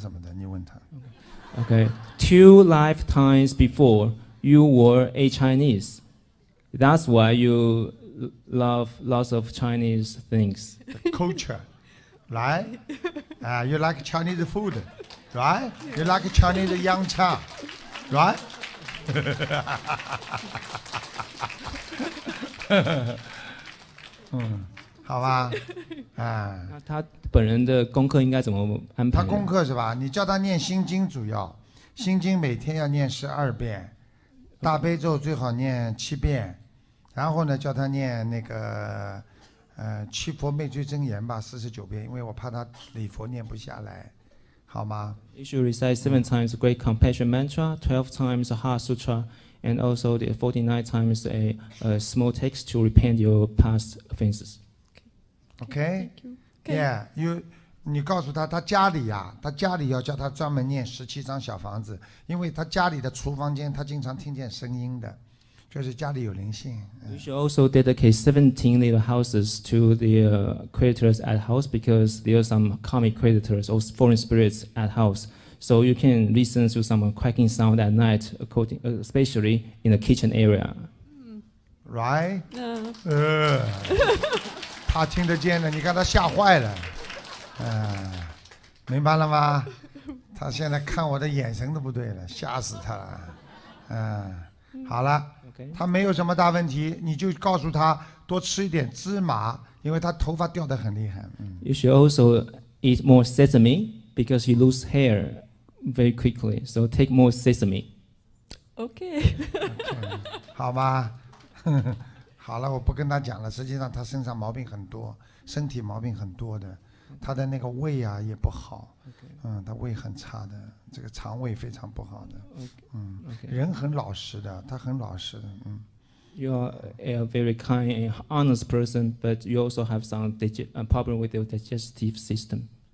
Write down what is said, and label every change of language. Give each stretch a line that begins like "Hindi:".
Chinese: 我告诉你，他的前世的在前世，他是中国人，所以他非常喜欢中国的文化，而且很喜欢洋茶什么的。你问他。Okay,
English: two lifetimes before you were a Chinese, that's why you love lots of Chinese things. Culture, right? You like Chinese food, right? You like Chinese 洋茶, right?
Chinese: 好吧，他本人的功课应该怎么安排？他功课是吧？你叫他念心经主要，心经每天要念十二遍，大悲咒最好念七遍，然后呢叫他念那个七佛灭罪真言吧，四十九遍，因为我怕他礼佛念不下来，好吗？
English: You should recite seven times Great Compassion Mantra, 12 times Heart Sutra, and also the 49 times a small text to repent your past offenses. Okay. Okay. Yeah. You.
Chinese: 你告诉他，他家里呀、啊，他家里要叫他专门念十七张小房子，因为他家里的厨房间他经常听见声音的。就是家里有灵性。
English: You should also dedicate 17 little houses to the creditors at house because there are some karmic creditors or foreign spirits at house. So you can listen to some cracking sound at night, according, especially in the kitchen area. Right? Yeah.
Chinese: 他听得见的，你看他吓坏了。明白了吗？他现在看我的眼神都不对了，吓死他了。好了。他没有什么大问题，你就告诉他多吃一点芝麻，因为他头发掉得很厉害。
English: You should also eat more sesame because he lose hair very quickly. So take more sesame. Okay. Okay.
Chinese: 好吧，好了，我不跟他讲了。实际上他身上毛病很多，身体毛病很多的，他的那个胃啊也不好。他胃很差的，这个肠胃非常不好的。
English: Okay.
Chinese: 人很老实的，他很老实的。
English: You are a very kind and honest person, but you also have some problem with your digestive system.